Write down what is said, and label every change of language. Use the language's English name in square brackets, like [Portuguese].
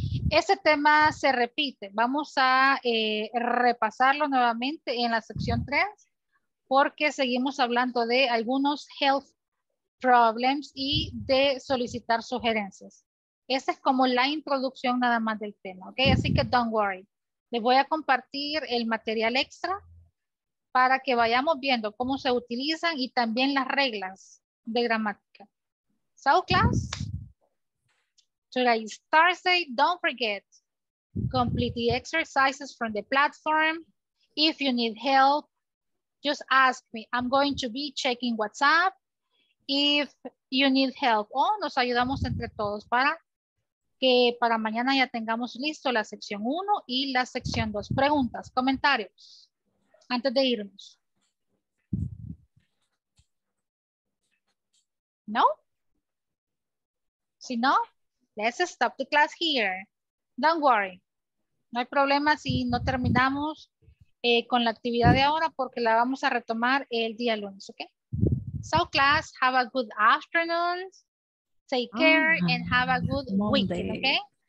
[Spanish] Ese tema se repite. Vamos a repasarlo nuevamente en la sección 3 porque seguimos hablando de algunos health problems y de solicitar sugerencias. Esa es como la introducción nada más del tema, ¿ok? Así que [English] don't worry. [Spanish] Les voy a compartir el material extra para que vayamos viendo cómo se utilizan y también las reglas de gramática. [English] So class, today is Thursday. Don't forget, complete the exercises from the platform. If you need help, just ask me. I'm going to be checking WhatsApp. If you need help, [Spanish] nos ayudamos entre todos para que para mañana ya tengamos listo la sección 1 y la sección 2. Preguntas, comentarios, antes de irnos. ¿No? Si no, [English] let's stop the class here. Don't worry. [Spanish] No hay problema si no terminamos con la actividad de ahora porque la vamos a retomar el día lunes, ¿ok? [English] So class, have a good afternoon. Take care and have a good weekend, okay?